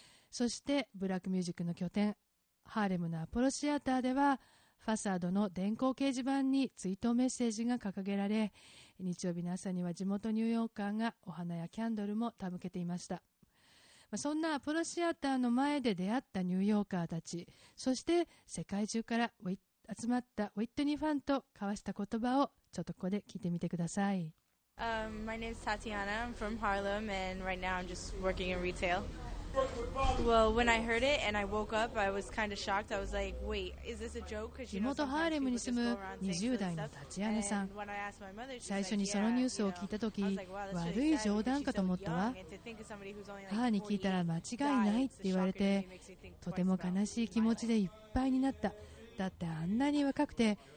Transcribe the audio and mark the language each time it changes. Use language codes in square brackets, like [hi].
[ja] そしてブラックミュージックの拠点ハーレムのアポロシアターではファサードの電光掲示板に追悼メッセージが掲げられ、日曜日の朝には地元ニューヨーカーがお花やキャンドルも手向けていました。そんなアポロシアターの前で出会ったニューヨーカーたち、そして世界中から集まったウィットニーファンと交わした言葉をちょっとここで聞いてみてください。 [en] My name is Tatiana. I'm from Harlem and right now I'm just working in retail. Well, when I heard it and I woke up, I was kind of shocked. I was like, wait, is this a joke? [ja] 地元ハーレムに住む20代のタチアナさん、最初にそのニュースを聞いた時、悪い冗談かと思ったわ。母に聞いたら間違いないって言われて、とても悲しい気持ちでいっぱいになった。だってあんなに若くて